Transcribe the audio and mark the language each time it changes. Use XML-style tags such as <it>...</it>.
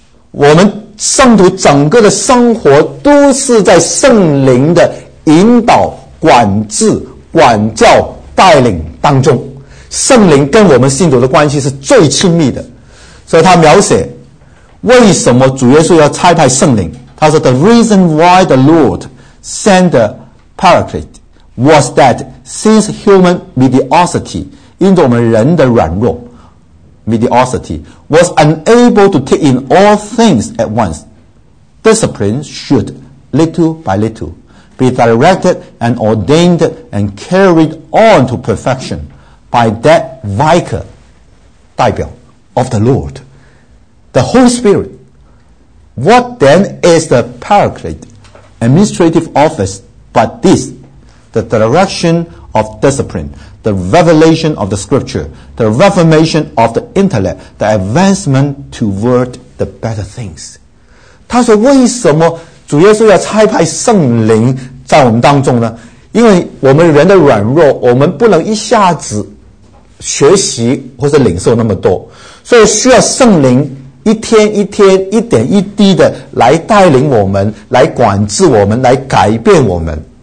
<zh>我们圣徒整个的生活都是在圣灵的引导管制管教带领当中，圣灵跟我们信徒的关系是最亲密的。所以他描写为什么主耶稣要差派圣灵，他说</zh> <en>The reason why the Lord sent the Paraclete was that since human mediocrity</en> <zh>因着我们人的软弱</zh> <en>mediocrity was unable to take in all things at once, discipline should little by little be directed and ordained and carried on to perfectionby that vicar 代表 of the Lord the Holy Spirit. What then is the paraclete administrative office but this, the direction of discipline, the revelation of the scripture, the reformation of the intellect, the advancement toward the better things.</en> <zh>他说为什么主耶稣要差派圣灵在我们当中呢？因为我们人的软弱，我们不能一下子学习或是领受那么多，所以需要圣灵一天一天一点一滴的来带领我们，来管制我们，来改变我们。</zh>